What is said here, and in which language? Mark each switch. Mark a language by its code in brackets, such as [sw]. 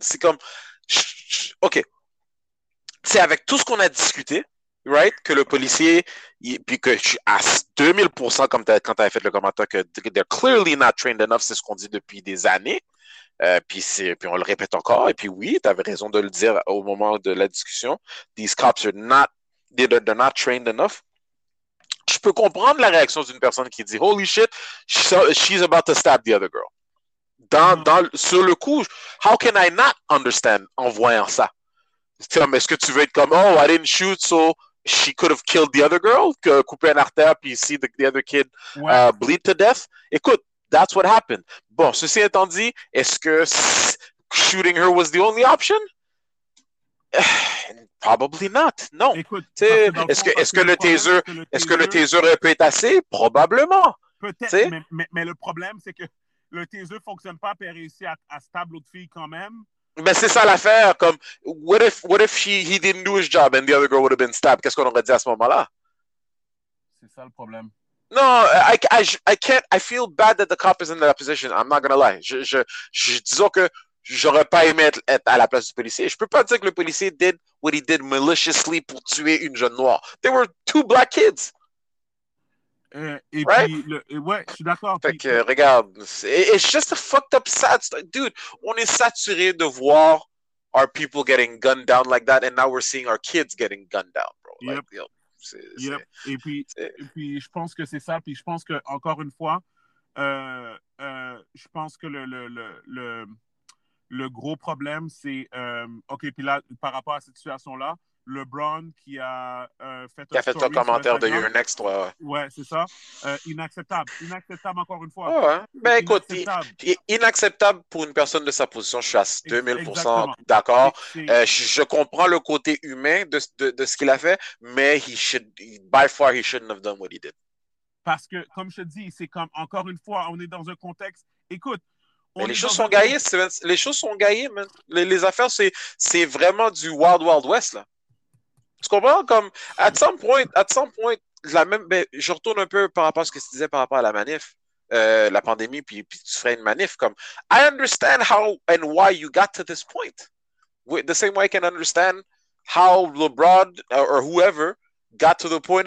[fr] C'est comme, OK, c'est avec tout ce qu'on a discuté, [en] right, [fr] que le policier, puis que je suis à 2000% comme quand tu avais fait le commentaire, que [en] they're clearly not trained enough, [fr] c'est ce qu'on dit depuis des années. Puis on le répète encore. Et puis oui, tu avais raison de le dire au moment de la discussion. [en] These cops are not, they're not trained enough. [fr] Je peux comprendre la réaction d'une personne qui dit « [en] Holy shit, she's about to stab the other girl. [fr] » Sur le coup, [en] how can I not understand [fr] en voyant ça? Est-ce que tu veux être comme [en] « Oh, I didn't shoot, so she could have killed the other girl, [fr] couper une artère, puis [en] see the other kid bleed to death? » [fr] Écoute, [en] that's what happened. [fr] Bon, ceci étant dit, est-ce que [en] shooting her was the only option? Probably not. [fr] Non. Écoute, est-ce que le taser peut être assez? Probablement. Peut-être. Mais le problème, c'est que le taser fonctionne pas, puis elle réussit à stab l'autre fille quand même. Mais c'est ça l'affaire. Comme, [en] what if he didn't do his job and the other girl would have been stabbed? [fr] Qu'est-ce qu'on aurait dit à ce moment-là? C'est ça le problème. Non, [en] I can't. I feel bad that the cop is in that position. I'm not gonna lie. [fr] Je disons que j'aurais pas aimé être à la place du policier. Je peux pas dire que le policier [en] did what he did maliciously [fr] pour tuer une jeune noire. [en] There were two black kids. [fr] Je suis d'accord. Fait que, regarde, [en] it's just a fucked up sad story. Dude, [fr] on est saturé de voir [en] our people getting gunned down like that, and now we're seeing our kids getting gunned down, bro. Yep. Like, [fr] et puis je pense que c'est ça. Puis je pense que, encore une fois, je pense que le gros problème, c'est... OK, puis là, par rapport à cette situation-là, LeBron qui a fait... Qui a fait un commentaire de You're Next, toi. Ouais, c'est ça. Inacceptable. Inacceptable, encore une fois. Oh, ouais. Ben, écoute, inacceptable pour une personne de sa position, je suis à 2000% exactement. D'accord. Je comprends le côté humain de ce qu'il a fait, mais [en] he shouldn't have done what he did. [fr] Parce que, comme je te dis, c'est comme, encore une fois, on est dans un contexte... Écoute, Mais les choses sont gaillées, Steven. Les choses sont gaillées, man. Les affaires, c'est vraiment du Wild Wild West, là. Tu comprends? Comme, [en] at some point, [fr] la même, ben, je retourne un peu par rapport à ce que tu disais par rapport à la manif, la pandémie, puis tu ferais une manif. Comme, [en] I understand how and why you got to this point. The same way I can understand how LeBron or whoever got to the point.